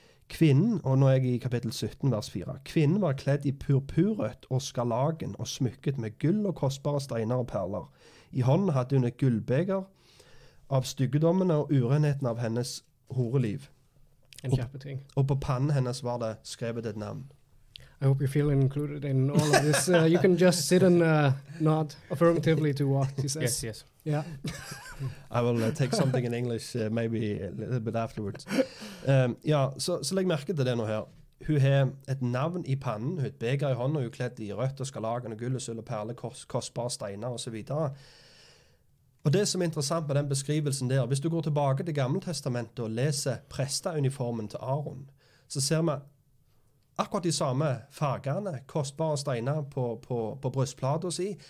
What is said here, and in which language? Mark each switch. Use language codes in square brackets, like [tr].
[no] Kvinnen, og nå I kapittel 17, vers 4, kvinnen var kledd I purpurrødt og skarlagen og smykket med gull og kostbare steiner og perler. I hånden hadde hun et gullbeger, av styggedommene og urenheten av hennes horeliv. and chapter ting. Og på pannen hennes var det skrevet et navn. [en] I hope you feel included in all of this. You can just sit and nod affirmatively to what he says. Yes, yes. Yeah. I will take something in English maybe a little bit afterwards. [no] Ja, så legg merke til det nå her. Hun har et navn I pannen, hun har et beger I hånden, og hun er kledd I rødt og skarlagen og gull og sølv og perle, kostbare steiner og så videre. Og det som interessant med den beskrivelsen der, hvis du går tilbake til Gamle Testamentet og leser prestauniformen til Aaron, så ser man akkurat de samme fargene, kostbare steiner på brystplata si.